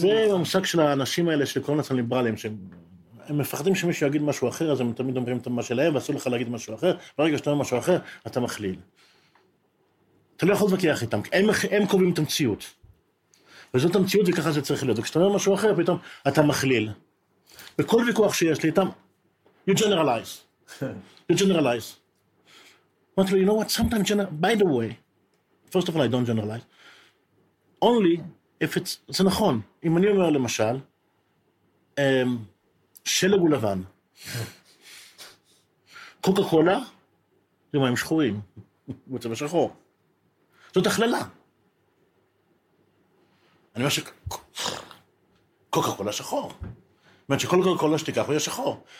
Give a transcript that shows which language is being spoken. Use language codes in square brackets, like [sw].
[he] זה המושג של האנשים האלה של קורנצן ליברליים, שהם... הם מפחדים שמישהו יגיד משהו אחר, אז הם תמיד אומרים את מה שלהם, ואסור לך להגיד משהו אחר, ברגע שאתה אומר משהו אחר, אתה מכליל. אתה לא יכול לבקח איתם, הם קובעים את המציאות. וזאת המציאות, וככה זה צריך להיות. וכשאתה אומר משהו אחר, פתאום אתה מכליל. בכל ויכוח שיש לי איתם, [en] you generalize. You generalize. But you know what? Sometimes, by the way, first of all, I don't generalize. Only if it's, [he] זה נכון. אם אני אומר למשל, שלג הוא לבן. קוקה קולה, זה מים שחורים. מוצא בשחור. זאת הכללה. אני אומר שקוקה קולה שחור. זאת אומרת שכל קולה שתיקח הוא יהיה שחור.